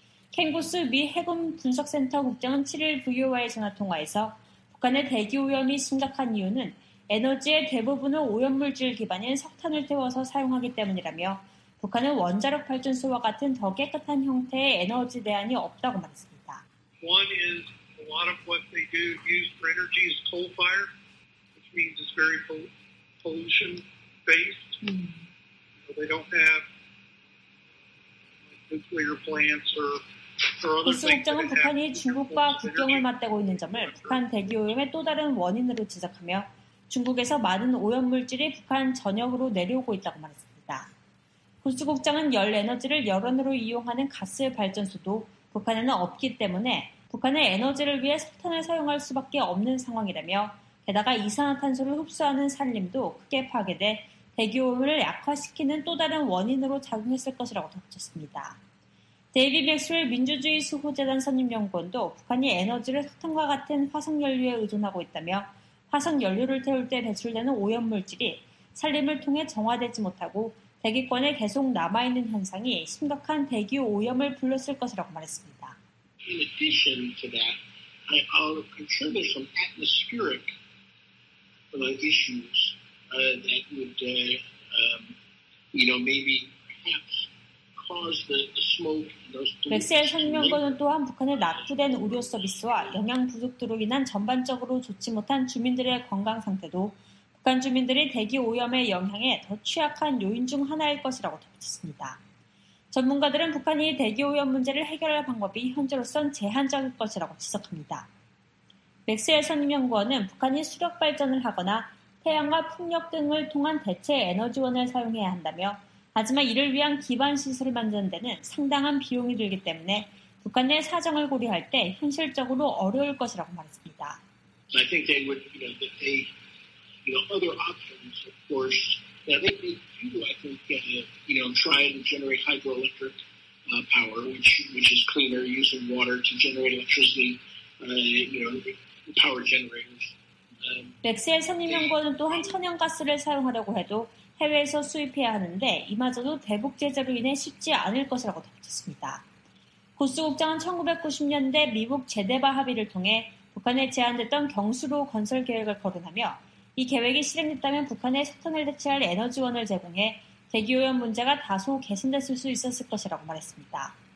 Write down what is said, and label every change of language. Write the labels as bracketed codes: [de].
[ko] 켄고스 미 해군 분석센터 국장은 7일 VOA 전화통화에서 북한의 대기오염이 심각한 이유는 에너지의 대부분을 오염물질 기반인 석탄을 태워서 사용하기 때문이라며 북한은 원자력 발전소와 같은 더 깨끗한 형태의 에너지 대안이 없다고 말했습니다. [en] One is a lot of what they do use for energy is coal fire, which means it's very pollution based. They don't have nuclear plants or other things. [ko] 이스 국장은 북한이 중국과 국경을 맞대고 있는 점을 북한 대기오염의 또 다른 원인으로 지적하며 중국에서 많은 오염물질이 북한 전역으로 내려오고 있다고 말했습니다. 구스 국장은 열 에너지를 열원으로 이용하는 가스 발전소도 북한에는 없기 때문에 북한의 에너지를 위해 석탄을 사용할 수밖에 없는 상황이라며 게다가 이산화탄소를 흡수하는 산림도 크게 파괴돼 대기오염을 약화시키는 또 다른 원인으로 작용했을 것이라고 덧붙였습니다. 데이비 맥스웰 민주주의 수호재단 선임연구원도 북한이 에너지를 석탄과 같은 화석연료에 의존하고 있다며 화석연료를 태울 때 배출되는 오염물질이 산림을 통해 정화되지 못하고 대기권에 계속 남아있는 현상이 심각한 대기 오염을 불렀을 것이라고 말했습니다. [en] In addition to that, I are contributing some atmospheric issues that would, you know, maybe perhaps cause the smoke in those places. [ko] 맥스웰 선임연구원은 또한 북한의 낙후된 의료 서비스와 영양 부족으로 인한 전반적으로 좋지 못한 주민들의 건강 상태도 북한 주민들이 대기 오염의 영향에 더 취약한 요인 중 하나일 것이라고 덧붙였습니다. 전문가들은 북한이 대기 오염 문제를 해결할 방법이 현재로선 제한적일 것이라고 지적합니다. 맥스웰 선임연구원은 북한이 수력 발전을 하거나 태양과 풍력 등을 통한 대체 에너지원을 사용해야 한다며 하지만 이를 위한 기반 시설을 만드는 데는 상당한 비용이 들기 때문에 북한 내 사정을 고려할 때 현실적으로 어려울 것이라고 말했습니다. [en] I think they would, you know, that they, you know, other options, of course, that they do, I think, you know, try and generate hydroelectric power, which is cleaner, using water to generate electricity, you know, power generators. [ko] 맥스의 선임연구원은 또한 천연가스를 사용하려고 해도 해외에서 수입해야 하는데 이마저도 대북 제재로 인해 쉽지 않을 것이라고 덧붙였습니다. 고스 국장은 1990년대 미국 제네바 합의를 통해 북한에 제한됐던 경수로 건설 계획을 거론하며 이 계획이 실행됐다면 북한에 석탄을 대체할 에너지원을 제공해 대기오염 문제가 다소 개선됐을 수 있었을 것이라고 말했습니다.